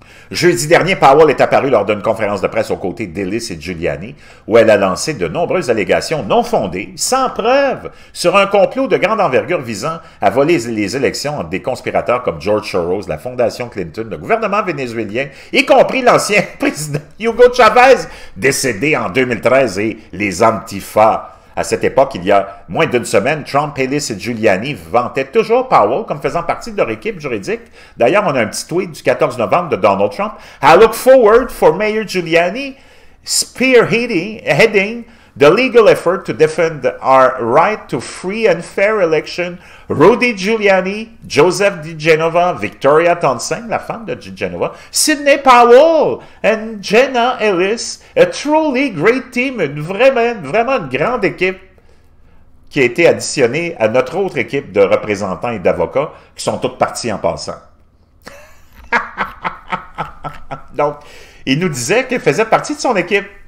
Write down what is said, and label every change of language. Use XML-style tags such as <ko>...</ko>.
<fr>Jeudi dernier, Powell est apparu lors d'une conférence de presse aux côtés d'Ellis et Giuliani, où elle a lancé de nombreuses allégations non fondées, sans preuve, sur un complot de grande envergure visant à voler les élections entre des conspirateurs comme George Soros, la Fondation Clinton, le gouvernement vénézuélien, y compris l'ancien président Hugo Chavez, décédé en 2013, et les Antifa, À cette époque, il y a moins d'une semaine, Trump, Elis et Giuliani vantaient toujours Powell comme faisant partie de leur équipe juridique. D'ailleurs, on a un petit tweet du 14 novembre de Donald Trump.</fr> <en>« I look forward for Mayor Giuliani spearheading the legal effort to defend our right to free and fair election.</en> <fr>Rudy Giuliani, Joseph DiGenova, Victoria Tonsang, la femme de DiGenova, Sidney Powell and Jenna Ellis,</fr> <en>a truly great team,</en> <fr>une vraiment une grande équipe qui a été additionnée à notre autre équipe de représentants et d'avocats qui sont toutes parties en passant. » Donc, il nous disait qu'il faisait partie de son équipe.</fr>